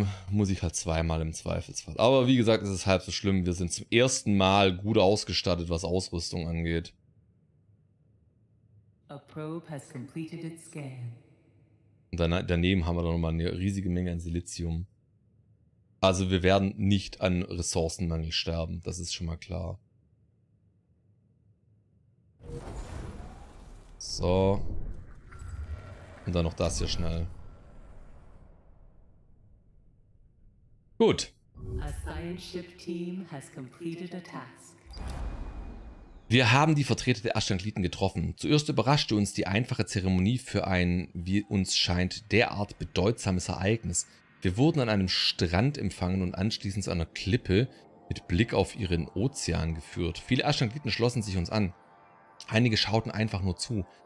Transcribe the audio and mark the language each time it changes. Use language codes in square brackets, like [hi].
[de] Muss ich halt zweimal im Zweifelsfall. Aber wie gesagt, es ist halb so schlimm. Wir sind zum ersten Mal gut ausgestattet, was Ausrüstung angeht. [en] A probe has completed its scan. [de] Und daneben haben wir dann nochmal eine riesige Menge an Silizium. Also wir werden nicht an Ressourcenmangel sterben, das ist schon mal klar. So. Und dann noch das hier schnell. Gut. [en] A science ship team has completed a task. [de] Wir haben die Vertreter der Ashtangliten getroffen. Zuerst überraschte uns die einfache Zeremonie für ein, wie uns scheint, derart bedeutsames Ereignis. Wir wurden an einem Strand empfangen und anschließend zu einer Klippe mit Blick auf ihren Ozean geführt. Viele Ashtangliten schlossen sich uns an. Einige schauten einfach nur zu.